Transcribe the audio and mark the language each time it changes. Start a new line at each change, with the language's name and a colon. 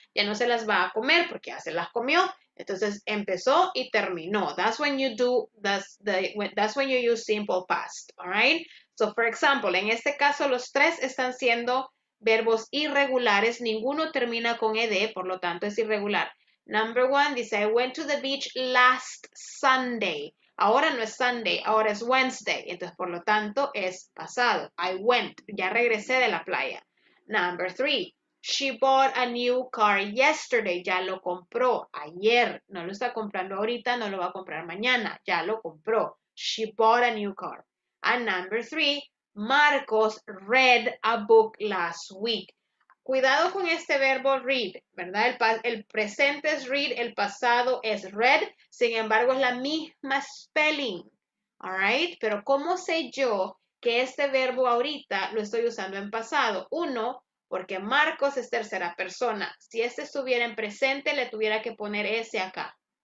Spanish: Ya no se las va a comer porque ya se las comió. Entonces, empezó y terminó.
English: That's when you use simple past. All right. So, for example,
Spanish: en este caso, los tres están siendo verbos irregulares, ninguno termina con ed, por lo tanto es irregular.
English: Number one dice, I went to the beach last Sunday.
Spanish: Ahora no es Sunday, ahora es Wednesday. Entonces, por lo tanto, es pasado.
English: I went,
Spanish: ya regresé de la playa.
English: Number three, she bought a new car yesterday.
Spanish: Ya lo compró ayer. No lo está comprando ahorita, no lo va a comprar mañana. Ya lo compró.
English: She bought a new car. And number three, Marcos read a book last week.
Spanish: Cuidado con este verbo read, ¿verdad? El presente es read, el pasado es read. Sin embargo, es la misma spelling.
English: All right?
Spanish: Pero ¿cómo sé yo que este verbo ahorita lo estoy usando en pasado? Uno, porque Marcos es tercera persona. Si este estuviera en presente, le tuviera que poner ese acá.